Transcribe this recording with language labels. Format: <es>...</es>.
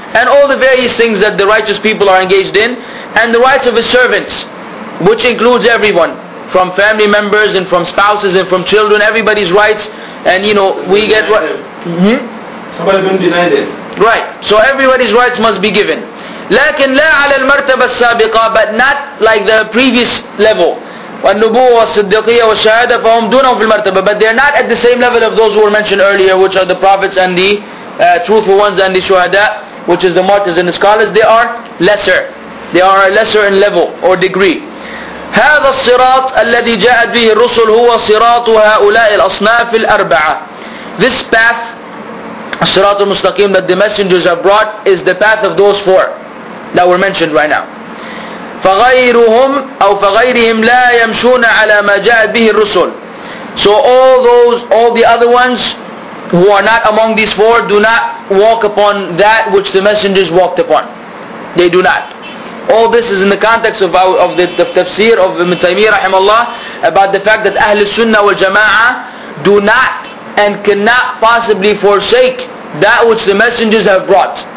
<en>And all the various things that the righteous people are engaged in, and the rights of His servants, which includes everyone, from family members and from spouses and from children, everybody's rights. And you know, we denied get right. Somebody been denied it. Right. So everybody's rights must be given.</en> <ar>لكن لا على المرتبة السابقة,</ar> <en>but not like the previous level.</en> <ar>والنبوة والصديقية والشهادة فهم دونهم في المرتبة.</ar> <en>But they're not at the same level of those who were mentioned earlier, which are the prophets and the truthful ones and the shuhada, which is the martyrs and the scholars. They are lesser. They are lesser in level or degree.</en> <ar>هذا الصراط الذي جاءت به الرسل هو صراط هؤلاء الأصناف الأربعة.</ar> <en>This path, الصراط المستقيم, that the messengers have brought, is the path of those four that were mentioned right now.</en> <ar>فغيرهم أو فغيرهم لا يمشون على ما جاءت به الرسل.</ar> <en>So all the other ones who are not among these four do not walk upon that which the messengers walked upon. They do not. All this is in the context of the tafsir of Ibn Taymiyyah rahimahullah, about the fact that Ahlul Sunnah wal Jama'ah do not and cannot possibly forsake that which the messengers have brought.</en>